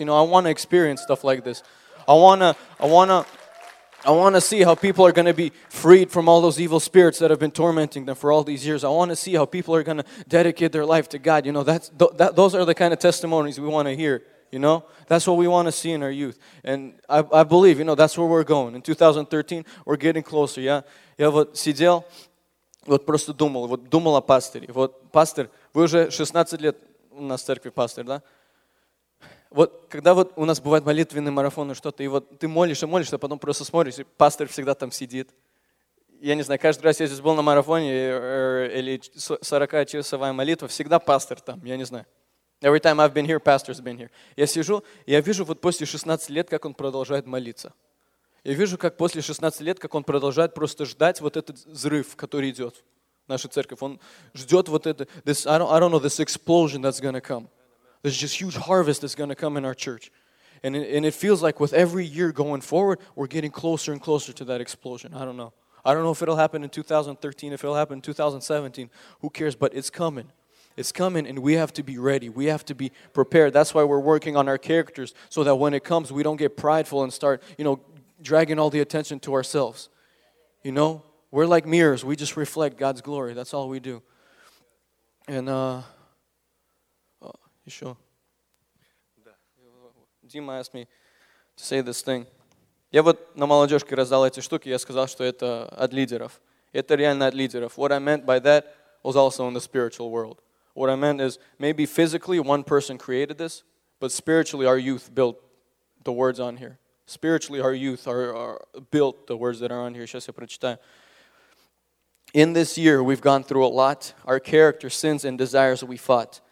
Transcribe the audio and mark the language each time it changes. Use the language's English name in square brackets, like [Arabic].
[English] You know, I want to experience stuff like this. I want to see how people are going to be freed from all those evil spirits that have been tormenting them for all these years. I want to see how people are going to dedicate their life to God. You know, those are the kind of testimonies we want to hear, you know. That's what we want to see in our youth. And I believe, you know, that's where we're going. In 2013, we're getting closer, yeah. [Russian] Я вот сидел, вот просто думал, вот думал о пастыре. Вот, пастор, вы уже 16 лет у нас в церкви, пастор, да? Вот когда вот у нас бывают молитвенные марафоны, что-то, и вот ты молишься, молишься, а потом просто смотришь, и пастор всегда там сидит. Я не знаю, каждый раз я здесь был на марафоне или 40-часовая молитва, всегда пастор там, я не знаю. [English] Every time I've been here, pastor's been here. [Russian] Я сижу, я вижу вот после 16 лет, как он продолжает молиться. Я вижу, как после 16 лет, как он продолжает просто ждать вот этот взрыв, который идет в нашу церковь. Он ждет вот это, [English] this explosion that's gonna come. There's just huge harvest that's going to come in our church. And it feels like with every year going forward, we're getting closer and closer to that explosion. I don't know. I don't know if it'll happen in 2013, if it'll happen in 2017. Who cares? But it's coming. It's coming, and we have to be ready. We have to be prepared. That's why we're working on our characters, so that when it comes, we don't get prideful and start, you know, dragging all the attention to ourselves. You know, we're like mirrors. We just reflect God's glory. That's all we do. And, Дима asked me to say this thing. [Russian] Я вот на молодежке раздал эти штуки, я сказал, что это от лидеров. Это реально от лидеров. [English] What I meant by that was also in the spiritual world. What I meant is maybe physically one person created this, but spiritually our youth built the words on here. Spiritually our youth are built the words that are on here. [Russian] Сейчас я прочитаю. [English] In this year we've gone through a lot. Our character, sins, and desires we fought.